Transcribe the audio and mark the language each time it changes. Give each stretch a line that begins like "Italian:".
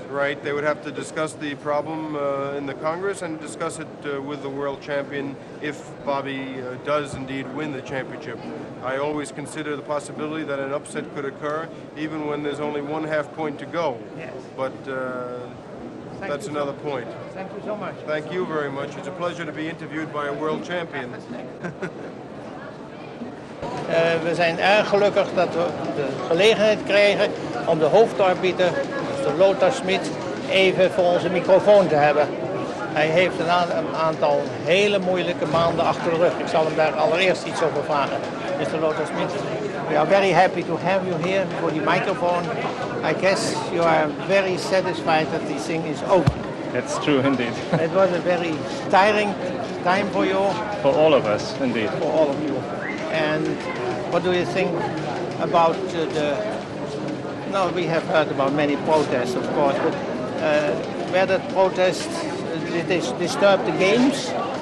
English: Right, they would have to discuss the problem in the Congress and discuss it with the world champion if Bobby does indeed win the championship. I always consider the possibility that an upset could occur even when there's only one half point to go. Yes. But that's another point. Thank you so much. Thank you very much. It's a pleasure to be interviewd by a world champion.
Dutch: We zijn erg gelukkig dat we de gelegenheid krijgen om de hoofdarbiter, Mr. Lothar Schmidt, even voor onze microfoon te hebben. Hij heeft een aantal hele moeilijke maanden achter de rug. Ik zal hem daar allereerst iets over vragen.
English: Mr. Lothar Schmidt, we are very happy to have you here for the microphone. I guess you are very satisfied that the thing is over. That's true indeed. It was a very tiring time for you. For all of us, indeed. For all of you. And what do you think about we have heard about many protests, of course, but were the protests, did they disturb the games?